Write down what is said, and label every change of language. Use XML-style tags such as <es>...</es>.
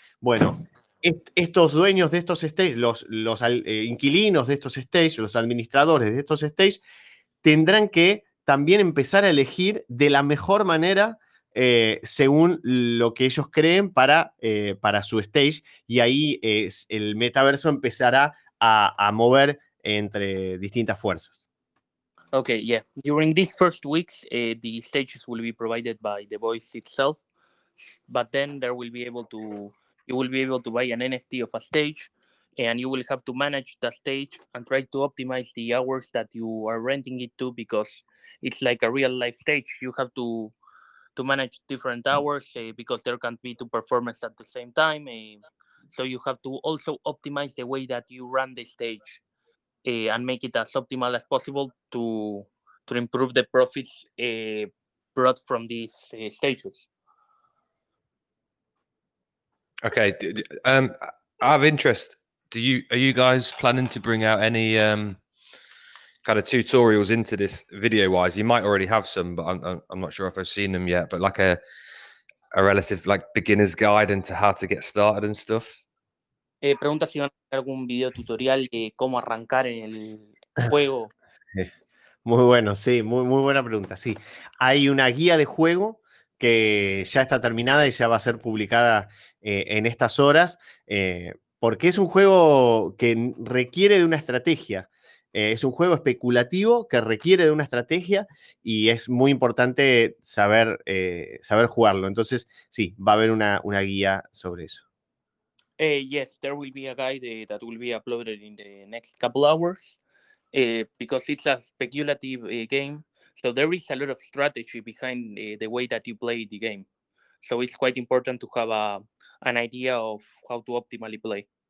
<es>Bueno, estos dueños de estos stage, los inquilinos de estos stage, los administradores de estos stage, tendrán que también empezar a elegir de la mejor manera según lo que ellos creen para su stage, y ahí el metaverso empezará a mover entre distintas fuerzas.</es> <en>Okay, yeah. During these first weeks, the stages will be provided by The Voice itself, but then there will be able to you will be able to buy an NFT of a stage, and you will have to manage the stage and try to optimize the hours that you are renting it to, because it's like a real life stage. You have to manage different hours because there can't be two performances at the same time. So you have to also optimize the way that you run the stage and make it as optimal as possible to improve the profits brought from these stages. Okay, I have interest. Are you guys planning to bring out any kind of tutorials into this video wise? You might already have some, but I'm not sure if I've seen them yet, but like a relative like beginner's guide into how to get started and stuff.</en> <es>Pregunta si van a hacer algún video tutorial de cómo arrancar en el juego. Muy bueno, sí, muy, muy buena pregunta. Sí, hay una guía de juego que ya está terminada y ya va a ser publicada en estas horas, porque es un juego que requiere de una estrategia. Es un juego especulativo que requiere de una estrategia y es muy importante saber, saber jugarlo. Entonces, sí, va a haber una guía sobre eso.</es> <en>Yes, there will be a guide that will be uploaded in the next couple hours. Because it's a speculative game, so there is a lot of strategy behind the way that you play the game. So it's quite important to have an idea of how to optimally play.</en>